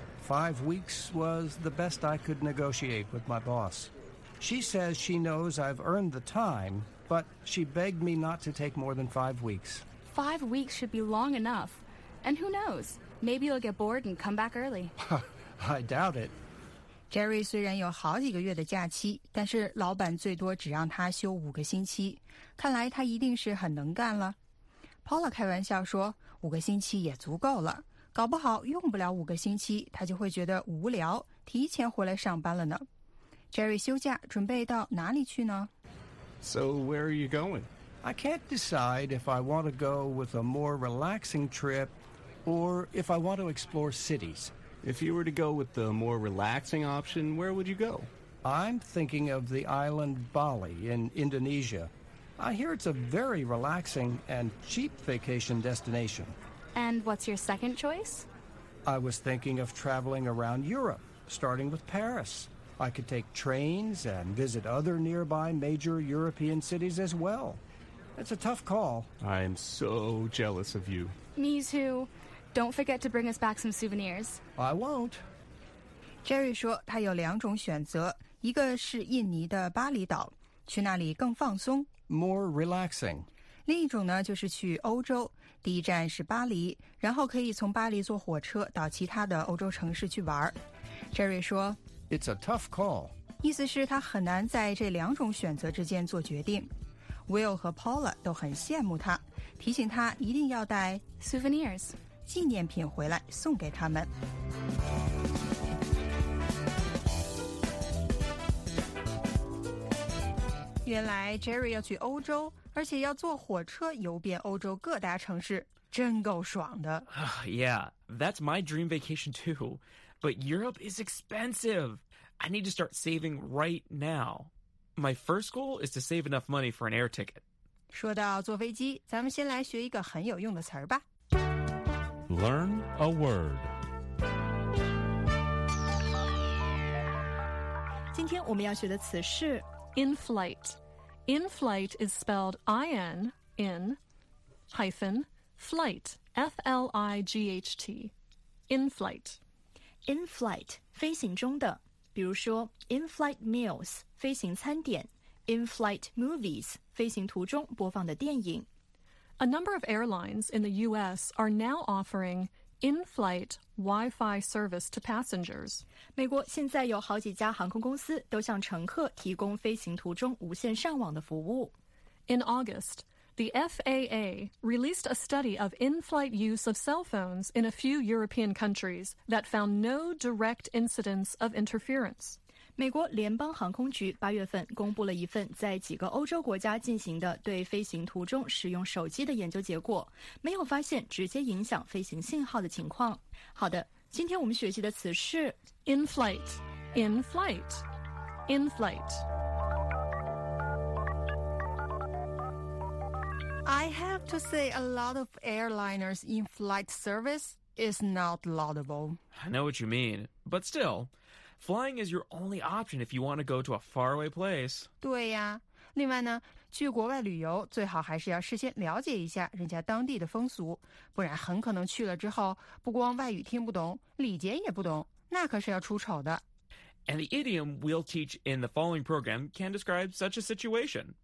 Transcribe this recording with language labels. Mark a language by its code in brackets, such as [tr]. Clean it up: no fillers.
[en] 5 weeks was the best I could negotiate with my boss. She says she knows I've earned the time, but she begged me not to take more than 5 weeks. 5 weeks should be long enough. And who knows? Maybe you'll get bored and come back early. I doubt it. [zh] Jerry 虽然有好几个月的假期，但是老板最多只让他休5个星期，看来他一定是很能干了。 Paula 开玩笑说，5个星期也足够了，搞不好用不了5个星期，他就会觉得无聊，提前回来上班了呢。 Jerry 休假准备到哪里去呢 [en] ？So where are you going? I can't decide if I want to go with a more relaxing trip, or if I want to explore cities. If you were to go with the more relaxing option, where would you go? I'm thinking of the island Bali in Indonesia. I hear it's a very relaxing and cheap vacation destination. And what's your second choice? I was thinking of traveling around Europe, starting with Paris. I could take trains and visit other nearby major European cities as well. It's a tough call. I am so jealous of you. Me too. Don't forget to bring us back some souvenirs. I won't. [zh] Jerry 说他有两种选择，一个是印尼的巴厘岛，去那里更放松。 [en] More relaxing. [zh] 另一种呢，就是去欧洲，第一站是巴黎，然后可以从巴黎坐火车到其他的欧洲城市去玩。 Jerry 说 [en] It's a tough call. [zh] 意思是他很难在这两种选择之间做决定。 Will 和 Paula 都很羡慕他，提醒他一定要带 [en] souvenirs [zh] 纪念品回来送给他们。原来 Jerry 要去欧洲，而且要坐火车游遍欧洲各大城市，真够爽的。 [en] Yeah, that's my dream vacation too. But Europe is expensive. I need to start saving right now. My first goal is to save enough money for an air ticket. [zh] 说到坐飞机，咱们先来学一个很有用的词儿吧。 [en] Learn a word. [zh] 今天我们要学的词是 [en] In flight. In flight is spelled I-N, in, hyphen, flight, F-L-I-G-H-T. In flight. [zh] In flight, 飞行中的。比如说 [en] in flight meals, [zh] 飞行餐点 [en] in flight movies, [zh] 飞行途中播放的电影。 [en] A number of airlines in the U.S. are now offering in flight Wi-Fi service to passengers. [zh] 美国现在有好几家航空公司都向乘客提供飞行途中无线上网的服务。 [en] In August, the FAA released a study of in-flight use of cell phones in a few European countries that found no direct incidents of interference. [zh] 美国联邦航空局八月份公布了一份在几个欧洲国家进行的对飞行途中使用手机的研究结果，没有发现直接影响飞行信号的情况。好的，今天我们学习的词是 [en] in flight, in flight, in flight. I have to say a lot of airliners in flight service is not laudable. I know what you mean, but still, flying is your only option if you want to go to a faraway place. [zh] 对呀，另外呢，去国外旅游最好还是要事先了解一下人家当地的风俗，不然很可能去了之后不光外语听不懂，礼节也不懂，那可是要出丑的。 [en] And the idiom we'll teach in the following program can describe such a situation.